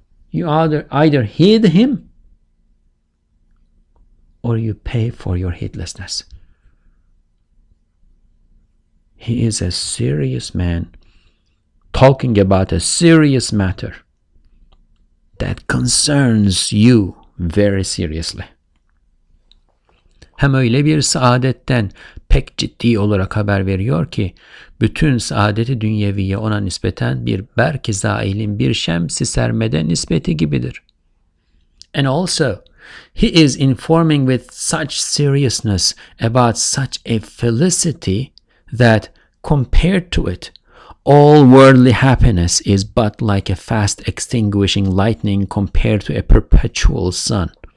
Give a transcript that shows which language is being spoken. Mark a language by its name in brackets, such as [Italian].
[English] You either heed him or you pay for your heedlessness. He is a serious man talking about a serious matter that concerns you very seriously. [Turkish] Hem öyle bir saadetten pek ciddi olarak haber veriyor ki bütün saadeti dünyeviye ona nispeten bir berk-i zâilin bir şems-i sermede nispeti gibidir. [English] And also, he is informing with such seriousness about such a felicity that compared to it, all worldly happiness is but like a fast extinguishing lightning compared to a perpetual sun.